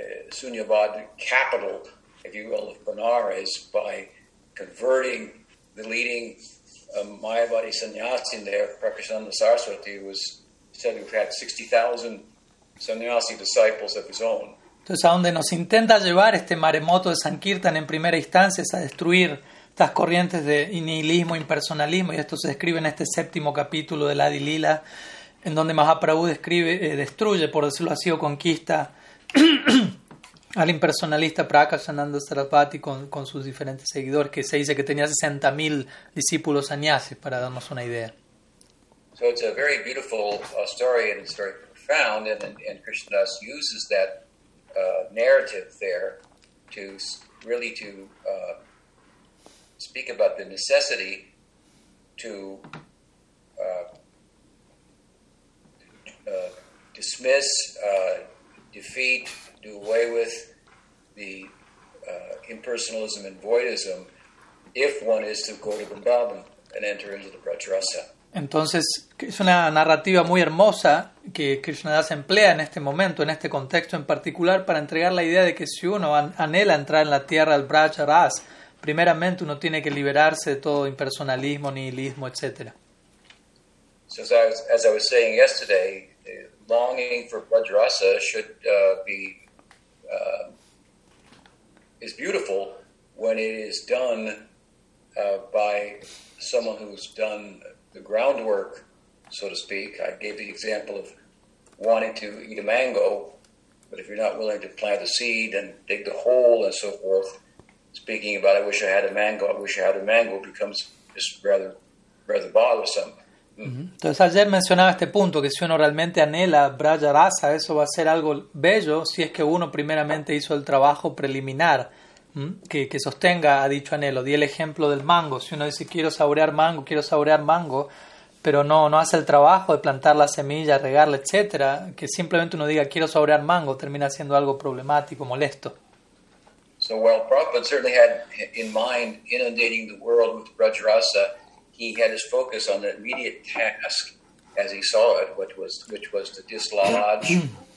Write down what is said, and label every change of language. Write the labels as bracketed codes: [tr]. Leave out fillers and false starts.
[en] Sunyavad capital, if you will, of Benares by converting the leading Mayavadi sannyasi in there, Prakashananda Saraswati, who was said to have had 60,000 sannyasi disciples of his own. [es] Entonces, a donde nos intenta llevar este maremoto de Sankirtan en primera instancia es a destruir estas corrientes de nihilismo, impersonalismo, y esto se describe en este séptimo capítulo de Adi Lila, en donde Mahaprabhu describe, destruye, por decirlo así, o conquista al impersonalista Prakasananda Sarasvati con sus diferentes seguidores, que se dice que tenía 60,000 discípulos sannyasis, para darnos una idea. [en] So it's a very beautiful story, and it's very profound, and Krishna Das uses that narrative there to really to speak about the necessity to dismiss, defeat, do away with the impersonalism and voidism if one is to go to Vrindavan and enter into the Brajarasa. [es] Entonces, es una narrativa muy hermosa que Krishna Das emplea en este momento, en este contexto en particular, para entregar la idea de que si uno anhela entrar en la tierra del Braja Ras, primeramente uno tiene que liberarse de todo impersonalismo, nihilismo, etc. [en] So as I was saying yesterday, longing for Braja Rasa should be is beautiful when it is done by someone who's done the groundwork, so to speak. I gave the example of wanting to eat a mango, but if you're not willing to plant a seed and dig the hole and so forth, speaking about I wish I had a mango, I wish I had a mango, becomes just rather bothersome. [es] Entonces ayer mencionaba este punto, que si uno realmente anhela Braja Rasa, eso va a ser algo bello si es que uno primeramente hizo el trabajo preliminar que sostenga a dicho anhelo. Di el ejemplo del mango. Si uno dice quiero saborear mango, pero no hace el trabajo de plantar la semilla, regarla, etcétera, que simplemente uno diga quiero saborear mango termina siendo algo problemático, molesto. [en] So while Prabhupada certainly had in mind inundating the world with Brajarasa, he had his focus on the immediate task as he saw it, which was to dislodge